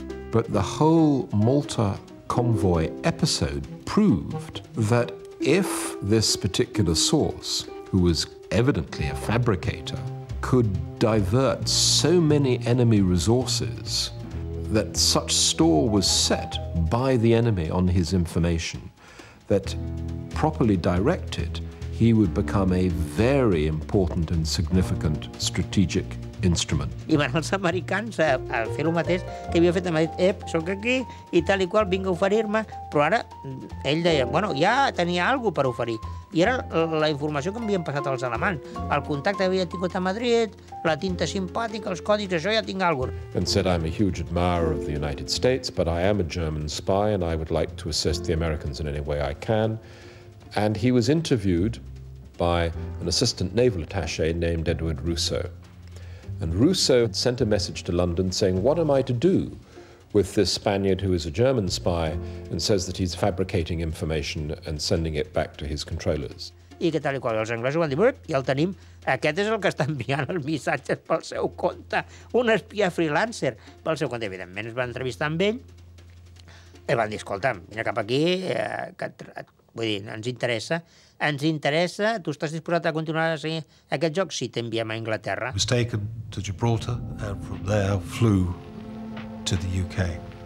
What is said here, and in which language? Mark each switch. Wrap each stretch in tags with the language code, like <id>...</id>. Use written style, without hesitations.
<en>But the whole Malta convoy episode proved that if this particular source, who was evidently a fabricator, could divert so many enemy resources that such store was set by the enemy on his information, that properly directed, he would become a very important and significant strategic instrument.</en> <ca>I van els americans a fer lo mateix que havia fet a Madrid. Ep, sóc aquí, i tal i qual, vinc a oferir-me. Però ara, ell deia, bueno, ja tenia algo per oferir. I era la informació que m'havien passat als alemans. El contacte que havia tingut a Madrid, la tinta simpàtica, els codis, això ja tinc algo.</ca> <en>And said, I'm a huge admirer of the United States, but I am a German spy and I would like to assist the Americans in any way I can. And he was interviewed by an assistant naval attaché named Edward Rousseau. And Rousseau had sent a message to London saying, what am I to do with this Spaniard who is a German spy and says that he's fabricating information and sending it back to his controllers?</en> <ca>I que tal i qual, els anglesos van dir, ja el tenim, aquest és el que està enviant els missatges pel seu compte, un espia freelancer pel seu compte. Evidentment, es va entrevistar amb ell i van dir, escolta, vine cap aquí, que vull dir, ens interessa, tu estàs disposat a continuar a seguir aquest joc si t'enviem a Anglaterra.</ca> <en>He was taken to Gibraltar and from there flew to the UK.</en>